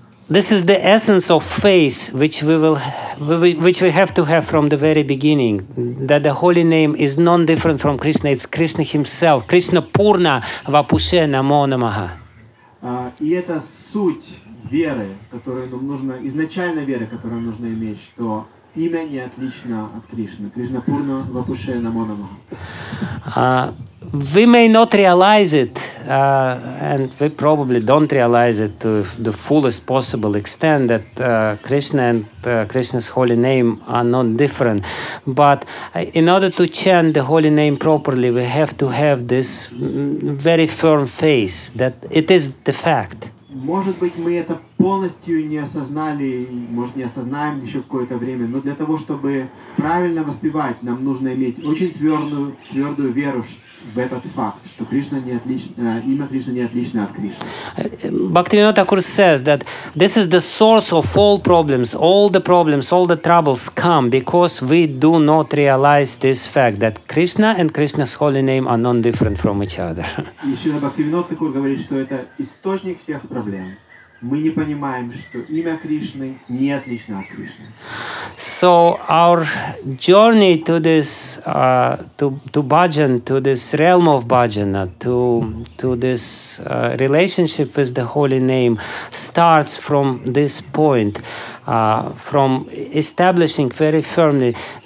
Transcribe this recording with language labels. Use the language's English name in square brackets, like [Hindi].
[English] This is the essence of faith, which we will, which we have to have from the very beginning, that the holy name is non-different from Krishna. It's Krishna himself. [Sanskrit] Krishna Purna Vapushe Namo Namaha. [Russian] И это суть веры, которую нам нужно, изначально веры, которую нужно иметь, что имя не отлично от Кришны. [Sanskrit] Krishna Purna Vapushe Namo Namaha. [English] We may not realize it, and we probably don't realize it to the fullest possible extent that Krishna and Krishna's holy name are not different. But in order to chant the holy name properly, we have to have this very firm faith that it is the fact. [Russian] Может быть, мы это полностью не осознали, может, не осознаем еще какое-то время, но для того, чтобы правильно воспевать, нам нужно иметь очень твердую веру в этот факт, что Кришна не отлично, имя Кришна не отлично от Кришны. [English] Бхактивинода Такур says that this is the source of all problems, all the problems, all the troubles come because we do not realize this fact that Krishna and Krishna's holy name are non-different from each other. [Russian] Еще Бхактивинода Такур говорит, что это источник всех проблем. Мы не понимаем, что имя Кришны не отлично от Кришны. [English] So our journey to this to bhajan, to this realm of bhajana, to this relationship with the holy name starts from this point, from establishing very firmly.